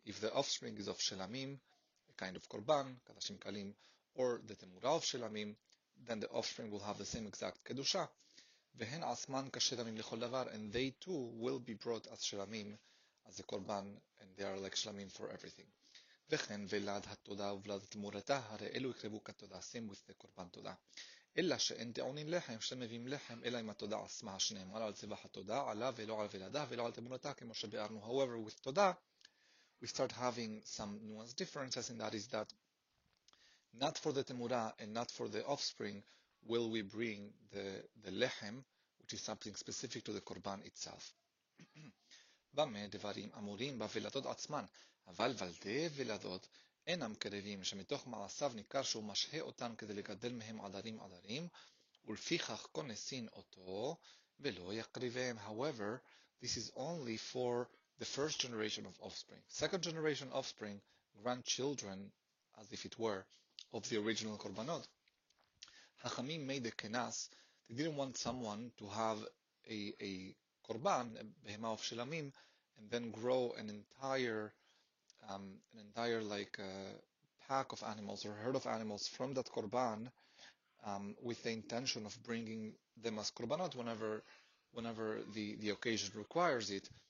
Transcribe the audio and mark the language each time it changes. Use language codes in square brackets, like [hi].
[en] If the offspring is of shelamim, a kind of korban, kadashim kalim, or the temura of shelamim, then the offspring will have the same exact kedusha. [he] Vehen asman kashelamim lechol davar, [en] and they too will be brought as shelamim, as a korban, and they are like shelamim for everything. [he] וכן ולד התודה ולד תמורתה, הרי אלו יקרבו כתודה, [en] same with the [he] קורבן תודה. אלא שאין טעונים לחם, שאתם מביאים לחם, אלא אם התודה עצמה שנאמר על צבע התודה, עלה ולא על ולדה ולא על תמורתה, כמו שביארנו. [en] However, with תודה, we start having some nuance differences, and that is that not for the תמורה and not for the offspring will we bring the לחם, which is something specific to the קורבן itself. [he] במה דברים אמורים בוולדות עצמן, אבל ולדי ולדות אינם קרבים, שמתוך מעשיו ניכר שהוא משהה אותן כדי לגדל מהם עדרים עדרים, ולפיכך כונסין אותו ולא יקריבם. [en] However, this is only for the first generation of offspring. Second generation offspring, grandchildren, as if it were, of the original korbanot. חכמים made a kenas, they didn't want someone to have a korban, behema of shelamim, and then grow an entire like a pack of animals or herd of animals from that korban, with the intention of bringing them as korbanot whenever the occasion requires it.